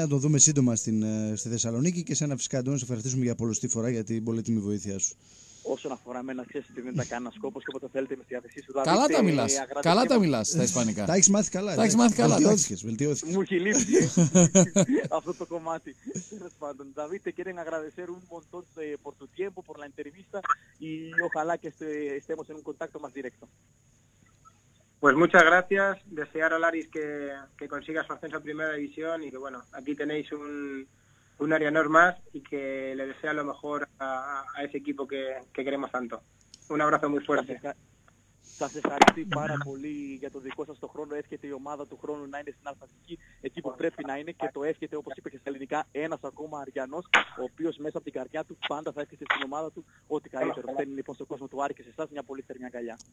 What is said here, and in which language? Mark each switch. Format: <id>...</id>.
<el>Να τον δούμε σύντομα στη Θεσσαλονίκη και σένα φυσικά να σε ευχαριστήσουμε για πολλωστή φορά για την πολύτιμη βοήθειά σου. Όσον αφορά εμένα, ξέρεις ότι δεν τα κάνω σκόπος και όποτε θέλετε με τη διάθεσή σου. Καλά τα μιλάς. Καλά τα μιλάς στα Ισπανικά. Τα έχεις μάθει καλά. Τα έχεις μάθει καλά. Βελτιώθηκες. Μου έχει λείψει αυτό το κομμάτι. Τέλος πάντων,</el> <es>Νταβίτε, quiero agradecer un montón por tu tiempo, por la entrevista y ojalá que estemos en un contacto más directo. Pues muchas gracias. Desear a Laris que consiga su ascenso a Primera División y que, bueno, aquí tenéis un Arianor más y que le desea lo mejor a ese equipo que queremos tanto. Un abrazo muy fuerte.</es> <el>Σας ευχαριστώ πάρα πολύ για το δικό σας το χρόνο. Εύχεται η ομάδα του χρόνου να είναι στην αλφαβητική εκεί που πρέπει να είναι και το εύχεται, όπως είπε και στα ελληνικά, ένας ακόμα Αριανός, ο οποίος μέσα από την καρδιά του πάντα θα εύχεται στην ομάδα του ό,τι καλύτερο. Θέλει λοιπόν στον κόσμο του Άρη και σε εσάς μια πολύ θερμή αγκαλιά.</el>